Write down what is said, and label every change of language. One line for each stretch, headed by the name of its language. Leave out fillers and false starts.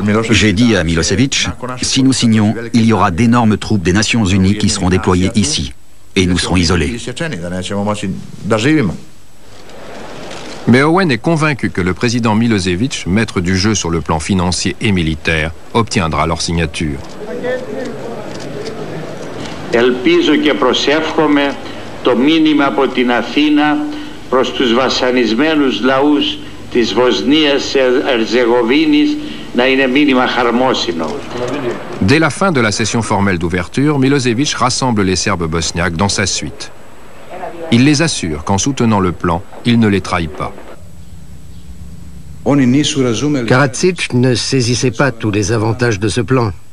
French: J'ai dit à Milosevic, si nous signons, il y aura d'énormes troupes des Nations Unies qui seront déployées ici. et nous serons isolés. Mais Owen est convaincu que le président Milosevic, maître du jeu sur le plan financier et militaire, obtiendra leur signature.
Greek: Ελπίζω και προσεύχομαι το μήνυμα από την Αθήνα προς τους βασανισμένους λαούς της Βοσνίας Ερζεγοβίνης να είναι μήνυμα χαρμόσυνο.
French: Dès la fin de la session formelle d'ouverture, Milosevic rassemble les Serbes bosniaques dans sa suite. Il les assure qu'en soutenant le plan, il ne les trahit pas. Karadzic ne saisissait pas tous les avantages de ce plan.